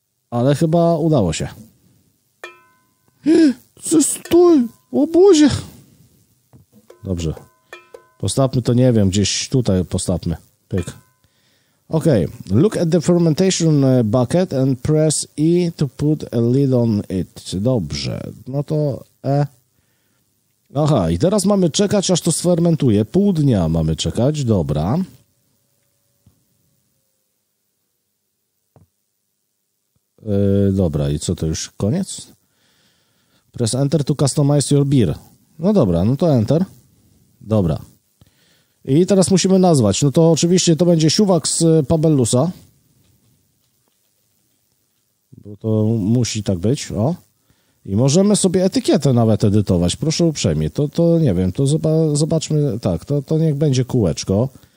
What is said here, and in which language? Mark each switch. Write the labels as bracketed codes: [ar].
[pl] Ale chyba udało się. Stój! O Boże! Dobrze. Postawmy to, nie wiem, gdzieś tutaj postawmy. Pyk. Okej. Okay. [en] Look at the fermentation bucket and press E to put a lid on it. [pl] Dobrze. No to E. Aha, i teraz mamy czekać, aż to sfermentuje. Pół dnia mamy czekać. Dobra. Dobra, i co to już? Koniec? [en] Press Enter to customize your beer. [pl] No dobra, no to Enter. Dobra. I teraz musimy nazwać. No to oczywiście to będzie siuwak z Pabellusa. Bo to musi tak być, o. I możemy sobie etykietę nawet edytować, proszę uprzejmie. To nie wiem, to zobaczmy, tak, to niech będzie kółeczko.